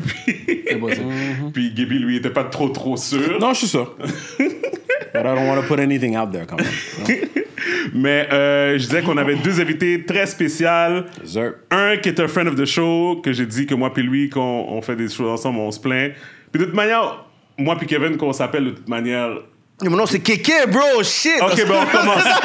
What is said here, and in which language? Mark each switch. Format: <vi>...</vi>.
<fr>Puis, puis Gaby lui était pas trop sûr. Non, je suis sûr.</fr> <en>But I don't want to put anything out there,</en> <fr>quand même. Mais je disais qu'on avait deux invités très spéciaux. Un qui est un</fr> <en>friend of the show,</en> <fr>que j'ai dit que moi puis lui, quand on fait des choses ensemble, on se plaint. Puis de toute manière, moi puis Kevin, qu'on s'appelle de toute manière... Mais non, c'est Kéké, bro, shit! OK, ben on commence.</fr>